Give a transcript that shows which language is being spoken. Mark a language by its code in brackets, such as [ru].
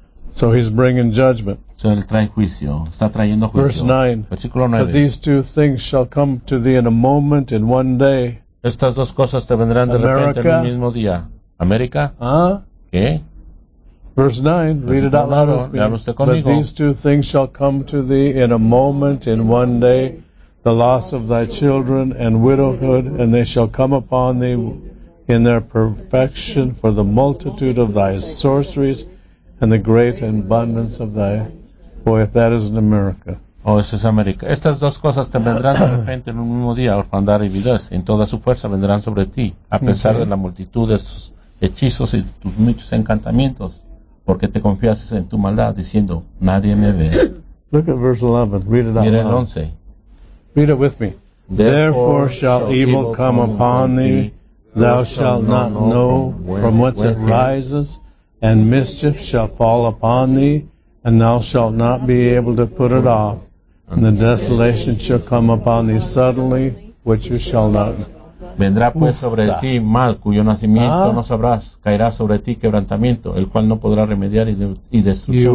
[en] So he's bringing judgment. [es] So él trae juicio. Está trayendo juicio. [en] Verse 9. [es] Versículo 9. [en] But these two things shall come to thee in a moment, in one day. [es] Estas dos cosas te vendrán de repente en el mismo día. ¿América? ¿Qué? [en] Verse 9. Read it out loud with me. [es] Hablaste conmigo. [en] But these two things shall come to thee in a moment, in one day. The loss of thy children and widowhood, and they shall come upon thee in their perfection for the multitude of thy sorceries. And the great abundance of thy, boy, if that isn't America. [es] Oh, eso es América. Estas dos cosas te vendrán de repente en un mismo día, orfandad y vidas. En toda su fuerza vendrán sobre ti, a pesar de la multitud de tus hechizos y de tus muchos encantamientos, porque te confiases en tu maldad, diciendo, nadie me ve. [en] Look at verse 11. Read it out loud. [es] Mira el 11. [en] Read it with me. Therefore shall evil come upon thee. Thou shalt not know from whence it rises. And mischief shall fall upon thee, and thou shalt not be able to put it off. And the desolation shall come upon thee suddenly, which you shall not. [es] Vendrá pues sobre ti mal, cuyo nacimiento no sabrás. Caerá sobre ti quebrantamiento, el cual no podrá remediar y destrucción.